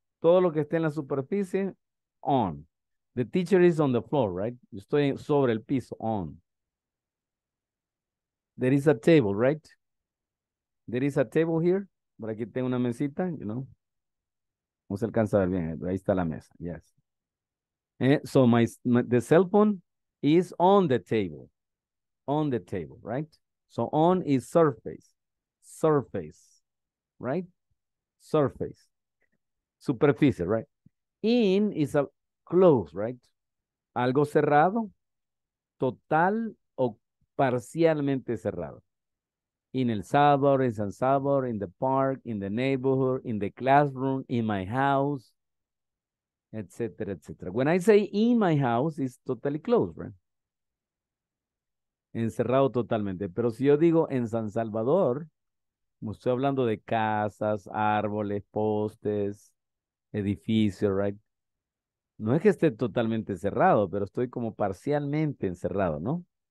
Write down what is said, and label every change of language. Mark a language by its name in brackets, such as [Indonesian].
[Spanish] Todo lo que esté en la superficie, on. [English] The teacher is on the floor, right? [Spanish] Yo estoy sobre el piso, [English] on. There is a table, right? There is a table here. [Spanish] Por aquí tengo una mesita, [English] you know. [Spanish] No se alcanza a ver bien, ahí está la mesa, yes. [English] So the cell phone is on the table. On the table, right? So on is surface. Surface, right? Surface. Superficie, right? In is a close, right? [Spanish] Algo cerrado, total o parcialmente cerrado. [English] In El Salvador, in San Salvador, in the park, in the neighborhood, in the classroom, in my house, etc., etc. When I say in my house, it's totally closed, right? [Spanish] Encerrado totalmente. Pero si yo digo en San Salvador, estoy hablando de casas, árboles, postes, edificios, right? No es que esté totalmente cerrado, pero estoy como parcialmente encerrado, ¿no?